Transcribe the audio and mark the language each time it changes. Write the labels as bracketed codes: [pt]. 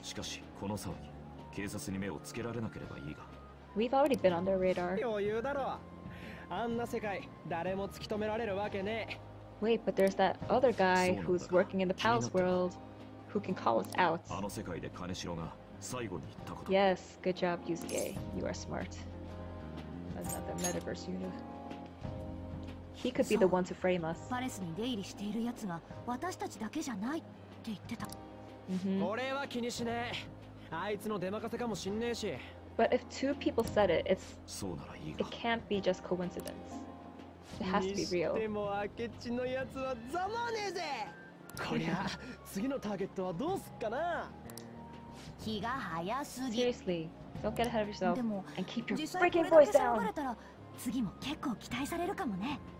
[ja] しかし、この騒ぎ、警察に目をつけられなければいいが。 [en] We've already been on their radar. [ja] 余裕だろ。あんな世界、誰も突き止められるわけねえ。 [en] Wait, but there's that other guy who's working in the palace world who can call us out. [ja] あの世界で金城が最後に言ったこと。 [en] Yes, good job, Yusuke. You are smart. Another metaverse unit. He could be the one to frame us. [ja] パレスに出入りしている奴が私たちだけじゃないって言ってた。これは気にしねえ。あいつの出任せかもしんねえし。 [en] But if two people said it, it can't be just coincidence. It has to be real. [ja] でも明智のやつはざまねえぜ。こりゃ次のターゲットはどうすっかな。気が早すぎ。 [en] Seriously, don't get ahead of yourself. [ja] でも [en] and keep your freaking voice down. [ja] 実際これだけ騒がれたら次も結構期待されるかもね。